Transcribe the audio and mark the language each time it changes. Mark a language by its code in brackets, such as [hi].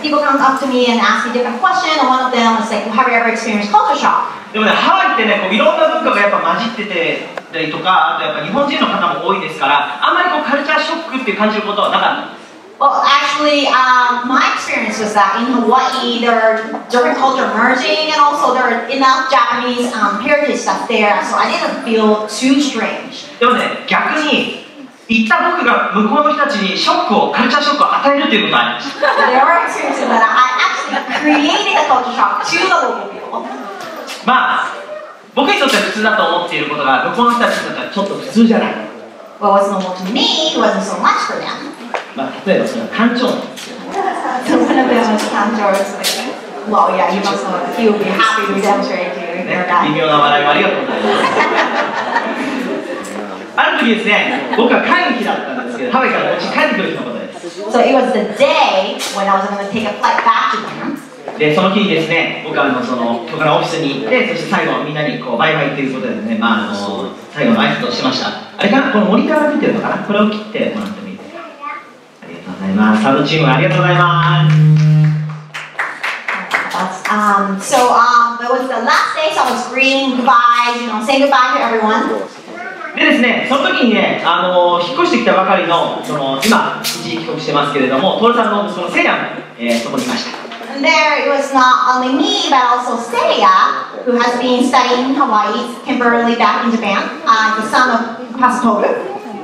[en] People comes up to me and ask me different questions, and one of them is like, have you ever experienced culture shock? [ja] でもね、ハワイってね、いろんな文化がやっぱ混じってて、だりとか、あとやっぱ日本人の方も多いですから、あんまりカルチャーショックって感じることはなかったんです。 [en] Well, actually, my experience was that in Hawaii, there are different cultures merging, and also there are enough Japanese heritage stuff there, so I didn't feel too strange. [ja] でもね、逆に、行った僕が向こうの人たちにショックを、カルチャーショックを与えるっていうことがありました。 [en] There are experiences that I actually created a culture shock to the local people. [ja] まあ、僕にとって普通だと思っていることが、向こうの人たちにとってはちょっと普通じゃない。 [en] What was normal to me wasn't so much for them. [ja] まあ、例えばその単調なんですよ。そうですね。 [en] Well, yeah, you must feel happy to demonstrate your dad. [ja] 微妙な笑いもありがとうございます。ある時ですね、僕は会議だったんですけど、ハワイから持ち帰ってくる日のことです。 [en] So it was the day when I was going to take a flight back to Japan. [ja] でその日にですね、僕はその許可のオフィスに行って、そして最後みんなにバイバイっていうことでね、まあ最後の挨拶をしました。あれかな、このモニターが出てるのかな、これを切ってもらってみて。サードチームありがとうございます。 [en] It was the last day, so I was greeting goodbye, saying goodbye to everyone. [ja] でですね、その時にね、引っ越してきたばかりの、その今、一時帰国してますけれども、トールさんの息子のセイヤも、そこにいました。 [en] And there, it was not only me, but also Seiya, who has been studying in Hawaii, temporarily back in Japan, the son of Pastor Toru.